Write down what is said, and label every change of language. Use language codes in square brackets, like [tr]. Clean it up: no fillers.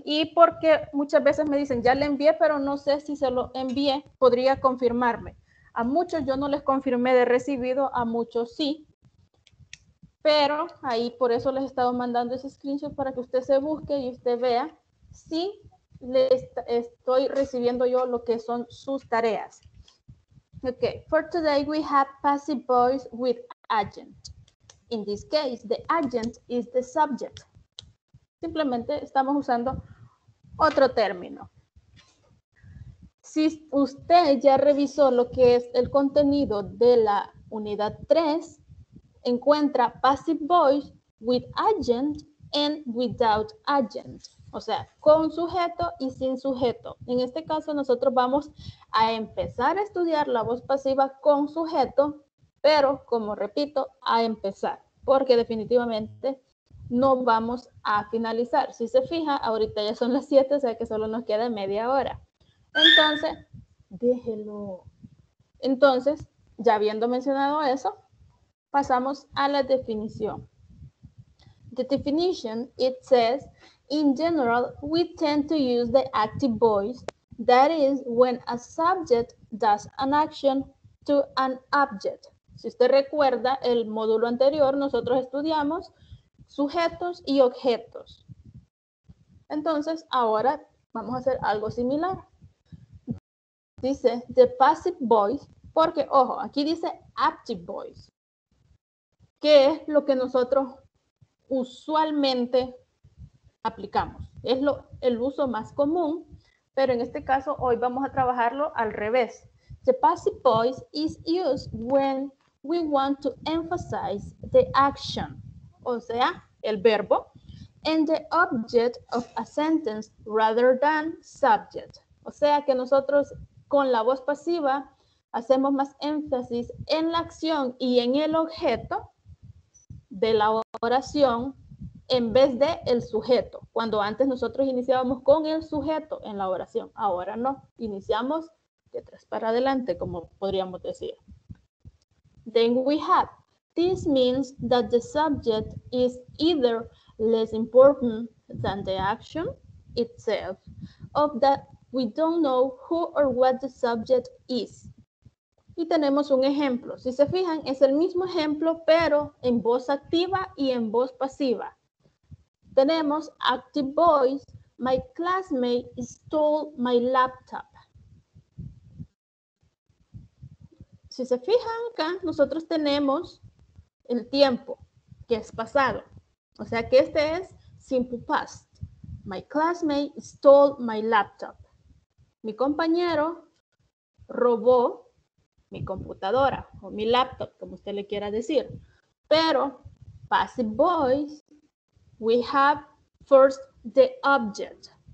[es] Y porque muchas veces me dicen, ya le envié, pero no sé si se lo envié, podría confirmarme. A muchos yo no les confirmé de recibido, a muchos sí. Pero ahí por eso les he estado mandando ese screenshot para que usted se busque y usted vea si le estoy recibiendo yo lo que son sus tareas. [en] Ok, for today we have passive voice with agent. In this case, the agent is the subject. [es] Simplemente estamos usando otro término. Si usted ya revisó lo que es el contenido de la unidad 3, encuentra [en] passive voice with agent and without agent. [es] O sea, con sujeto y sin sujeto. En este caso, nosotros vamos a empezar a estudiar la voz pasiva con sujeto, pero, como repito, a empezar, porque definitivamente no vamos a finalizar. Si se fija, ahorita ya son las 7, o sea que solo nos queda media hora. Entonces, déjelo. Entonces, ya habiendo mencionado eso, pasamos a la definición. [en] The definition, it says, in general, we tend to use the active voice, that is, when a subject does an action to an object. [es] Si usted recuerda, el módulo anterior, nosotros estudiamos sujetos y objetos. Entonces, ahora vamos a hacer algo similar. Dice, [en] the passive voice, [es] porque, ojo, aquí dice active voice. ¿Qué es lo que nosotros usualmente aplicamos? Es el uso más común, pero en este caso hoy vamos a trabajarlo al revés. [en] The passive voice is used when we want to emphasize the action, [es] o sea, el verbo, [en] and the object of a sentence rather than subject. [es] O sea, que nosotros con la voz pasiva hacemos más énfasis en la acción y en el objeto de la oración en vez de el sujeto. Cuando antes nosotros iniciábamos con el sujeto en la oración, ahora no, iniciamos de atrás para adelante, como podríamos decir. [en] Then we have, this means that the subject is either less important than the action itself, or that we don't know who or what the subject is. [es] Y tenemos un ejemplo. Si se fijan, es el mismo ejemplo, pero en voz activa y en voz pasiva. Tenemos [en] active voice, my classmate stole my laptop. [es] Si se fijan acá, nosotros tenemos el tiempo, que es pasado. O sea que este es [en] simple past. My classmate stole my laptop. [es] Mi compañero robó mi computadora o mi laptop, como usted le quiera decir. Pero [en] passive voice, we have first the object.